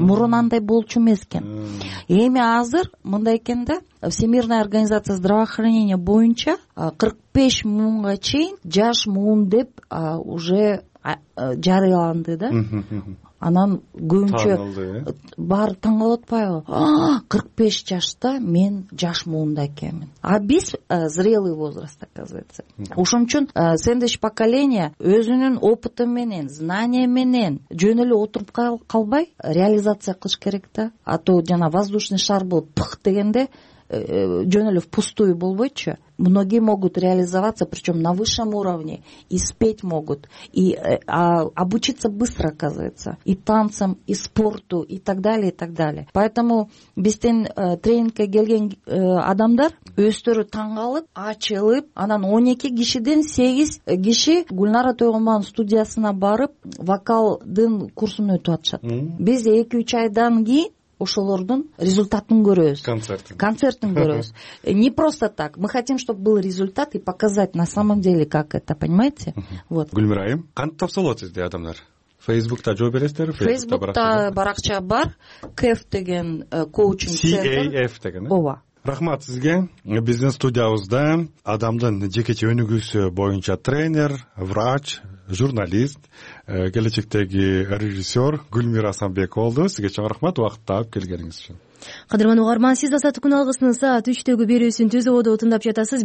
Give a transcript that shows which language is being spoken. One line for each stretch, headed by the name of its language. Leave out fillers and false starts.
Kyrgyz: Мурун андай болчу эмес экен. Эми азыр мындай экен да, Всемирная организация здравоохранения боюнча 45 муунга чейин жаш муун деп уже жарыяланды да. Анан көбүнчө баары таң калып атпайбы? 45 жашта мен жаш муунда экенмин.
Russian: А биз зрелый возраст, оказывается.
Kyrgyz: Ошон үчүн
Russian: сэндвич поколение
Kyrgyz: өзүнүн опыты менен, знания менен жөн эле отуруп калбай, реализация кылыш керек да. А то жана
Russian: воздушный шар
Kyrgyz: болуп пых дегенде жөн эле
Russian: впустую
Kyrgyz: болбойчу.
Russian: Многие могут реализоваться, причем на высшем уровне, и спеть могут, и обучиться быстро, оказывается, и танцам, и спорту, и так далее, и так далее.
Kyrgyz: Поэтому биздин тренингке келген адамдар өздөрү таң калып, ачылып, анан 12 кишиден 8 киши Гүлнара Тойгонбаева студиясына барып, вокалдын курсун өтүп атышат. Биз 2-3 айдан кийин ошолордун результатын көрөбүз. Концертин
Russian: көрөбүз. Не просто так. Мы хотим, чтобы был результат и показать на самом деле, как это, понимаете? Вот.
Kyrgyz: Гүлмира айым, кантип табышат сизди адамдар? Фейсбукта жооп бересиздерби? Фейсбукта баракча бар. КЭФ деген коучинг центр. CAF деген. Ооба. Рахмат сизге. Биздин студиябызда адамдын жекече өнүгүүсү боюнча тренер, врач, журналист, келечектеги режиссер Гүлмира Асанбек болду. Сизге чоң рахмат убакыт таап келгениңиз үчүн. Кадырман угарман, сиз азаттык күн алгысынын саат 3:00 берүүсүн түзүүдө утундап жатасыз.